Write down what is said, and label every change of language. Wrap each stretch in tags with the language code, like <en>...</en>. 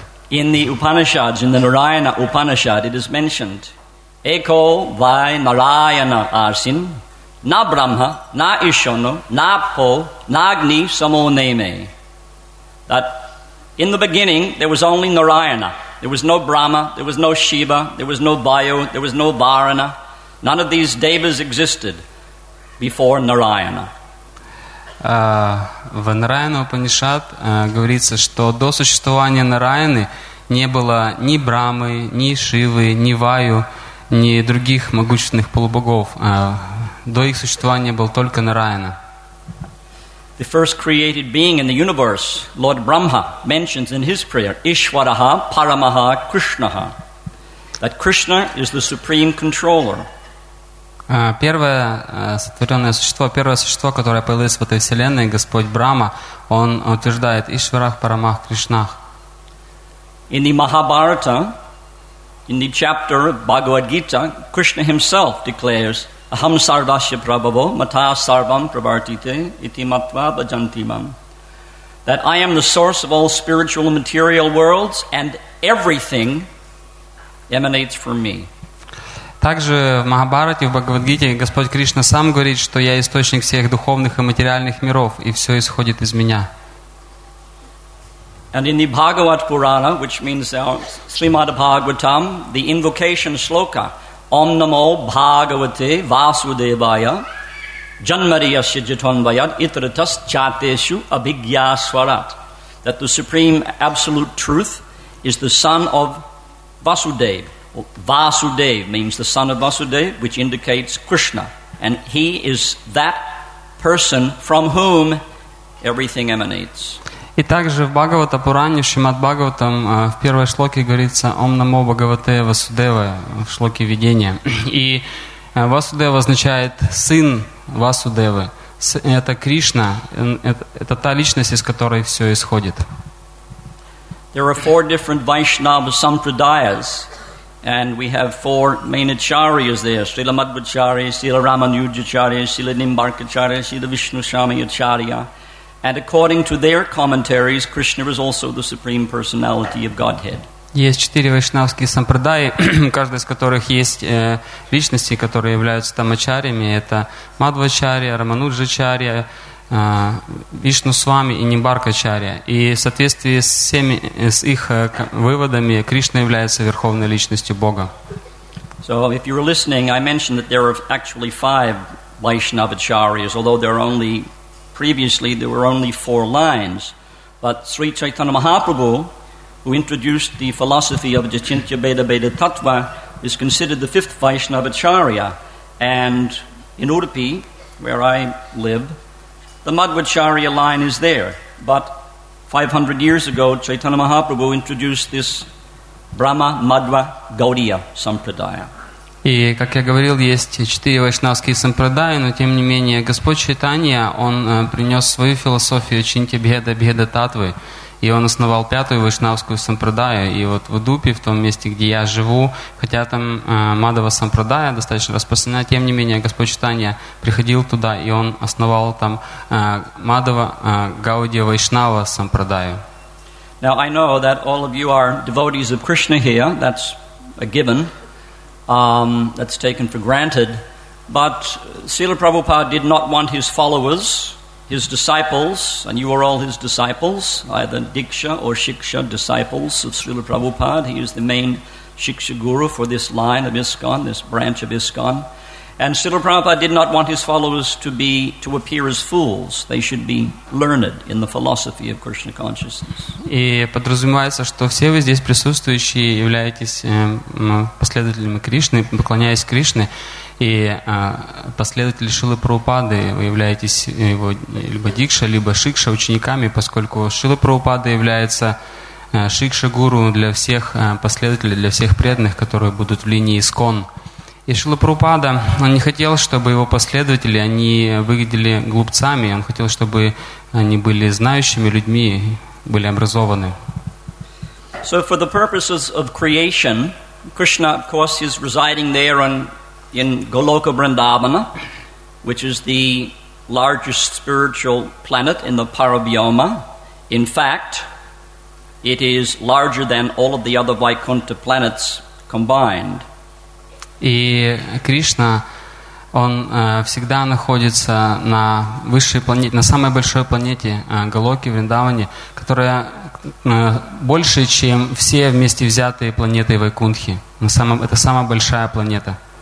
<en>In the Upanishads, in the Narayana Upanishad, it is mentioned,</en> <sa>Eko Vai Narayana Asin, Na Brahma, Na Ishono, Na Po, Na Agni Samo Neme.</sa> <en>That in the beginning, there was only Narayana. There was no Brahma, there was no Shiva, there was no Vayu, there was no Varana. None of these devas existed before Narayana.</en> <ru>В Нараяна Упанишад говорится, что до существования Нараяны не было ни Брамы, ни Шивы, ни Ваю, ни других могущественных полубогов. До их существования был только Нараяна.</ru> <en>The first created being in the universe, Lord Brahma, mentions in his prayer,</en> <sa>Ishwaraha Paramaha Krishnaha,</sa> <en>that Krishna is the supreme controller.</en> <ru>Первое сотворенное существо, первое существо, которое появилось в этой вселенной, Господь Брама, он утверждает,</ru> <sa>Ishwaraha Paramaha Krishnaha.</sa> <en>In the Mahabharata, in the chapter of Bhagavad Gita, Krishna himself declares,</en> <sa>Aham sarvasya prabhavo mata sarvam pravartite iti matva bhajantimam.</sa> <en>That I am the source of all spiritual and material worlds and everything emanates from me.</en> <ru>Также в Махабарате, в Бхагавадгите, Господь Кришна сам говорит, что я источник всех духовных и материальных миров, и все исходит из меня.</ru> <en>And in the Bhagavad Purana, which means Srimad Bhagavatam, the invocation sloka,</en> <sa>Om namo bhagavate vasudevaya janmariya shijitonvayat itratas chateshu abhigya swarat.</sa> <en>That the supreme absolute truth is the son of Vasudev. Vasudev means the son of Vasudev, which indicates Krishna. And he is that person from whom everything emanates.</en> <ru>И также в Бхагавата Пуране, в Шримад Бхагаватам, в первой шлоке говорится</ru> <sa>«Ом намо Бхагавате Васудева»</sa> <ru>в шлоке видения. И Васудева означает «сын Васудевы». Это Кришна, это та личность, из которой все исходит.</ru> <en>There are four different Vaishnava Sampradayas, and we have four main Acharyas there. Srila Madhvacharya, Srila Ramanujacharya, Srila Nimbarkacharya, Srila Vishnusami Acharya. And according to their commentaries, Krishna is also the Supreme Personality of Godhead.</en> <ru>Есть четыре вайшнавские сампрадаи, каждая из которых есть личности, которые являются там ачарьями. Это Мадвачарья, Рамануджачарья, Вишну с вами и Нимбаркачарья. И в соответствии с всеми с их выводами Кришна является верховной личностью Бога.</ru> <en>So if you were listening, I mentioned that there are actually five Vaishnavacharyas, although there are only previously there were only four lines. But Sri Chaitanya Mahaprabhu, who introduced the philosophy of Jachintya Beda Beda Tattva, is considered the fifth Vaishnavacharya. And in Udupi, where I live, the Madhvacharya line is there. But 500 years ago, Chaitanya Mahaprabhu introduced this Brahma Madhva Gaudiya Sampradaya.</en> <ru>И, как я говорил, есть четыре вайшнавские сампрадаи, но, тем не менее, Господь Чайтанья, он принес свою философию Чинтья Бхеда Бхеда Таттвы, и он основал пятую вайшнавскую сампрадаю. И вот в Удупи, в том месте, где я живу, хотя там Мадхава сампрадая достаточно распространена, тем не менее, Господь Чайтанья приходил туда, и он основал там Мадхава Гаудия Вайшнава сампрадаю.</ru> <en>Now, I know that all of you are devotees of Krishna here. That's a given. That's taken for granted. But Srila Prabhupada did not want his followers, his disciples, and you are all his disciples, either Diksha or Shiksha, disciples of Srila Prabhupada. He is the main Shiksha Guru for this line of ISKCON, this branch of ISKCON. And Srila Prabhupada did not want his followers to appear as fools. They should be learned in the philosophy of Krishna consciousness.</en> <ru>И подразумевается, что все вы здесь присутствующие являетесь последователями Кришны, поклоняясь Кришне, и последователи Шрилы Прабхупады вы являетесь его либо дикша, либо шикша учениками, поскольку Шрила Прабхупада является шикша гуру для всех последователей, для всех преданных, которые будут в линии ИСКОН. И Шрила Прабхупада, он не хотел, чтобы его последователи, они выглядели глупцами. Он хотел, чтобы они были знающими людьми, были образованы.</ru> <en>So for the purposes of creation, Krishna, of course, is residing there in Goloka Vrindavana, which is the largest spiritual planet in the Parabhyoma. In fact, it is larger than all of the other Vaikuntha planets combined.</en> <ru>И Кришна, он всегда находится на высшей планете, на самой большой планете Голоки, Вриндаване, которая больше, чем все вместе взятые планеты Вайкунтхи. Это самая большая планета.</ru>